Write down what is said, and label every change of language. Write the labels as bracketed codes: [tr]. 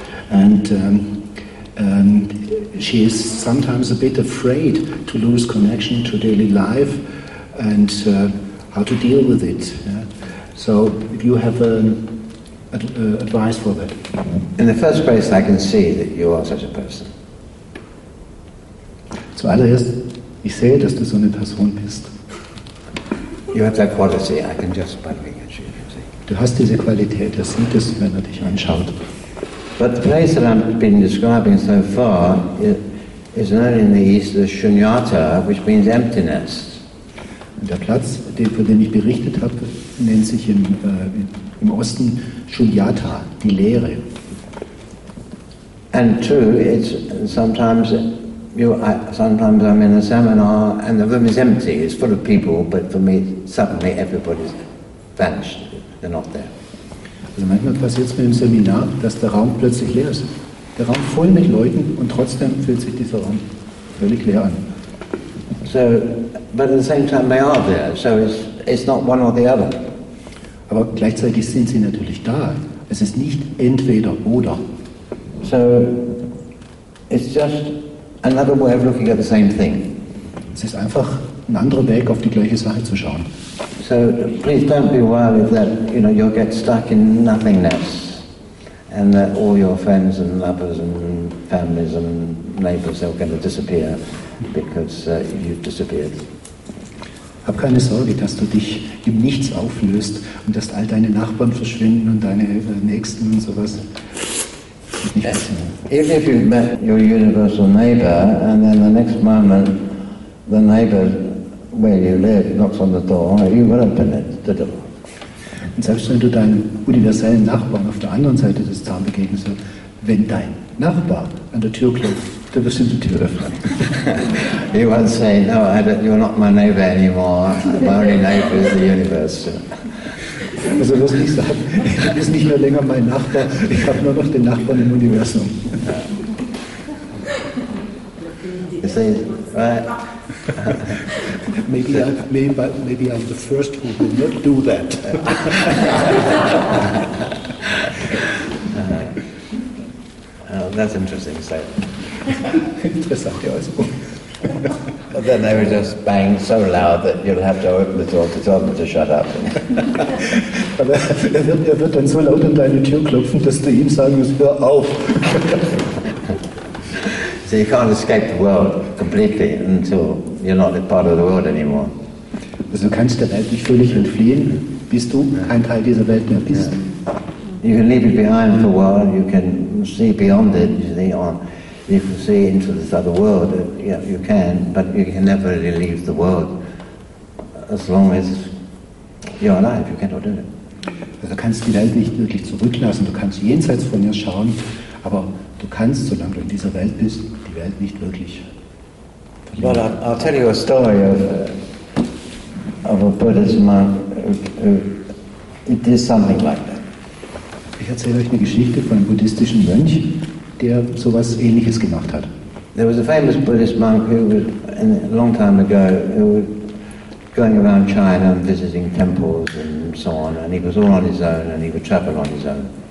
[en] And she is sometimes a bit afraid to lose connection to daily life and how to deal with it. So, if you have advice for that. In the first place, I can see that you are such a person. [de] Zuallererst, ich sehe, dass du so eine Person bist. [en] You have that quality, I can just by looking at you, you see. [de] Du hast diese Qualität, er sieht es, wenn er dich anschaut. [en] But the place that I've been describing so far is known in the East as Shunyata, which means emptiness. [de] Und der Platz, von dem ich berichtet habe, nennt sich im Osten Shunyata, die Leere. [en] And true, it's sometimes sometimes I'm in a seminar and the room is empty, it's full of people, but for me suddenly everybody's vanished, they're not there. [de] Also manchmal passiert es mir im Seminar, dass der Raum plötzlich leer ist. Der Raum voll mit Leuten und trotzdem fühlt sich dieser Raum völlig leer an. [en] So, but at the same time they are there, so it's not one or the other. [de] Aber gleichzeitig sind sie natürlich da. Es ist nicht entweder oder. [en] So, it's just another way of looking at the same thing. [de] Es ist einfach ein anderer Weg, auf die gleiche Sache zu schauen. [en] So, please don't be worried that, you know, you'll get stuck in nothingness and that all your friends and lovers and families and neighbors are going to disappear because you've disappeared. [de] Hab keine Sorge, dass du dich im Nichts auflöst und dass all deine Nachbarn verschwinden und deine Nächsten und sowas. [en] Even if you've met your universal neighbor and then the next moment the neighbor where you live knocks on the door, you will open it, the door. [de] Und selbst wenn du deinem universellen Nachbarn auf der anderen Seite des Zahns begegnest, wenn dein Nachbar an der Tür klopft, dann wirst du die Tür öffnen. [en] He won't say, no, you're not my neighbor anymore. My only neighbor is the universe. [de] Also wirst du nicht sagen, du bist nicht mehr länger mein Nachbar, ich habe nur noch den Nachbarn im Universum. [en] You see, right? Maybe I'm the first who will not do that. That's interesting. So. [de] Interessante Äußerung. [en] But then they would just bang so loud that you'll have to open the door to tell them to shut up. [de] Er wird dann so laut an deine Tür klopfen, dass du ihm sagen musst, hör auf. [en] So you can't escape the world completely until you're not a part of the world anymore. [de] Also du kannst der Welt nicht völlig entfliehen, bis du kein Teil dieser Welt mehr bist. [en] You can leave it behind for a while, you can see beyond it, you see on. You can see into this other world, yeah, you can, but you can never really leave the world as long as you're alive. You cannot do it. [de] Also kannst die Welt nicht wirklich zurücklassen. Du kannst jenseits von ihr schauen, aber du kannst, solange du in dieser Welt bist, die Welt nicht wirklich verlieren. [en] Well, I'll tell you a story of a Buddhist monk who did something like that. [de] Ich erzähle euch eine Geschichte von einem buddhistischen Mönch, der sowas Ähnliches gemacht hat. [en] There was a famous Buddhist monk who was a long time ago who was going around China and visiting temples and so on, and he was all on his own and he would travel on his own.